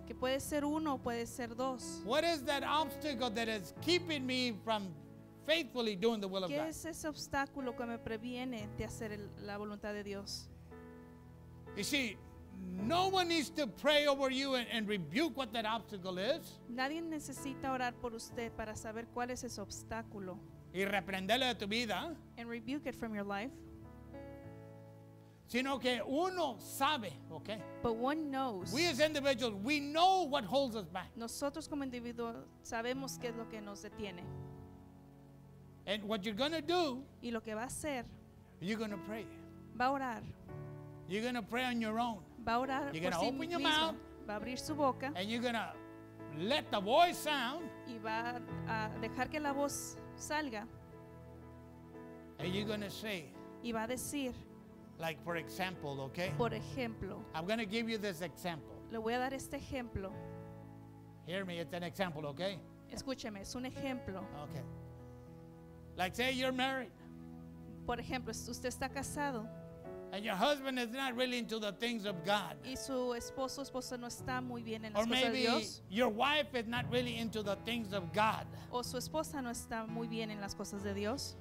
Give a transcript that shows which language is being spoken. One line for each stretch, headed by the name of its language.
Spanish: Que puede ser uno o puede ser dos.
English: What is that obstacle that is keeping me from faithfully doing the will of God?
Spanish: ¿Qué es ese obstáculo que me previene de hacer la voluntad de Dios?
English: You see, no one needs to pray over you and rebuke what that obstacle is.
Spanish: Nadie necesita orar por usted para saber cuál es ese obstáculo. Y reprenderlo de tu vida.
English: And rebuke it from your life.
Spanish: Sino que uno sabe, okay?
English: But one knows. We as individuals, we know what holds us back.
Spanish: Nosotros como individuos sabemos qué es lo que nos detiene.
English: And what you're going to do?
Spanish: Y lo que va a hacer.
English: You're going to pray.
Spanish: Va a orar.
English: You're going to pray on your own.
Spanish: Va a orar.
English: You're going to open your mouth.
Spanish: Va a abrir su boca.
English: And you're going to let the voice sound.
Spanish: Y va a dejar que la voz salga.
English: And you're going to say.
Spanish: Y va a decir.
English: Like for example, okay?
Spanish: Por ejemplo.
English: I'm going to give you this example.
Spanish: Le voy a dar este ejemplo.
English: Hear me, it's an example, okay?
Spanish: Escúcheme, es un ejemplo.
English: Okay. Like say you're married.
Spanish: Por ejemplo, usted está casado.
English: And your husband is not really into the things of God.
Spanish: Y su esposo o esposa no está muy bien en las cosas de Dios.
English: Or maybe your wife is not really into the things of God.
Spanish: O su esposa no está muy bien en las cosas de Dios.